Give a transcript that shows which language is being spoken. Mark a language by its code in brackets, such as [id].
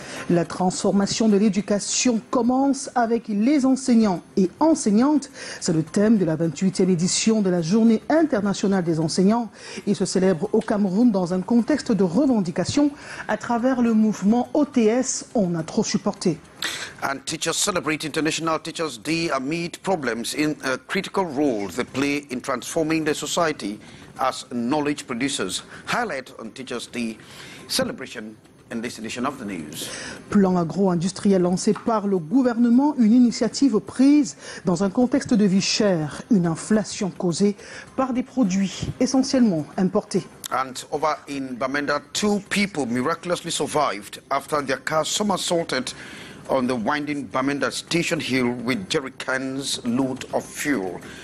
[fr] La transformation de l'éducation commence avec les enseignants et enseignantes. C'est le thème de la 28e édition de la Journée internationale des enseignants. Il se célèbre au Cameroun dans un contexte de revendication à travers le mouvement OTS, on a trop supporté. [en] And teachers celebrate International Teachers Day amid problems in a critical role they play in transforming the society as knowledge producers. Highlight on Teachers Day celebration. In this edition of the news. [fr] Plan agro-industriel lancé par le gouvernement, une initiative prise dans un contexte de vie chère, une inflation causée par des produits essentiellement importés. [en] And over in Bamenda, two people miraculously survived after their car somersaulted on the winding Bamenda station hill with jerrycans load of fuel.